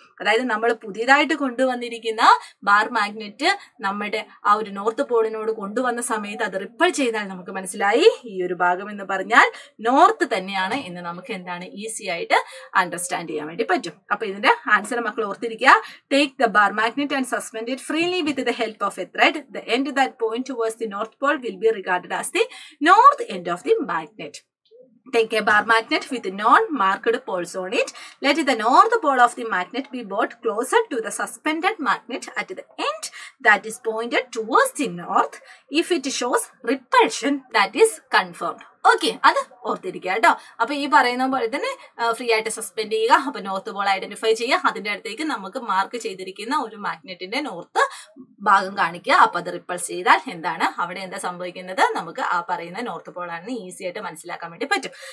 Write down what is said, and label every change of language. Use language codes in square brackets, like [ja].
[ml] അതായത് നമ്മൾ പുതിയതായിട്ട് കൊണ്ടുവന്നിരിക്കുന്ന ബാർ മാഗ്നറ്റ് നമ്മുടെ ആ ഒരു നോർത്ത് പോളിനോട് കൊണ്ടുവന്ന സമയത്ത് അത് റിപ്പൾ ചെയ്താൽ നമുക്ക് മനസ്സിലായി ഈ ഒരു ഭാഗം എന്ന് പറഞ്ഞാൽ നോർത്ത് തന്നെയാണ് എന്ന് നമുക്ക് എന്താണ് ഈസി ആയിട്ട് അണ്ടർസ്റ്റാൻഡ് ചെയ്യാൻ വേണ്ടി പറ്റും. അപ്പൊ ഇതിന്റെ ആൻസർ മക്കൾ ഓർത്തിരിക്കുക, [en] Take the bar magnet and suspend it freely with the help of a thread. The end that point towards the north pole will be regarded as the north end of the magnet. Take a bar magnet with non-marked poles on it. Let the north pole of the magnet be brought closer to the suspended magnet at the end that is pointed towards the north. If it shows repulsion, that is confirmed. [ml] Okay, അത് ഓർത്തിരിക്കുക കേട്ടോ. അപ്പൊ ഈ പറയുന്ന പോലെ തന്നെ free ആയിട്ട് suspend ചെയ്യുക, അപ്പൊ നോർത്ത് പോൾ ഐഡന്റിഫൈ ചെയ്യുക, അതിന്റെ അടുത്തേക്ക് നമുക്ക് മാർക്ക് ചെയ്തിരിക്കുന്ന ഒരു മാഗ്നറ്റിന്റെ നോർത്ത് ഭാഗം കാണിക്കുക. അപ്പൊ അത് റിപ്പൾസ് ചെയ്താൽ എന്താണ് അവിടെ എന്താ സംഭവിക്കുന്നത്, നമുക്ക് ആ പറയുന്ന നോർത്ത് പോളാണെന്ന് ഈസി ആയിട്ട് മനസ്സിലാക്കാൻ വേണ്ടി പറ്റും.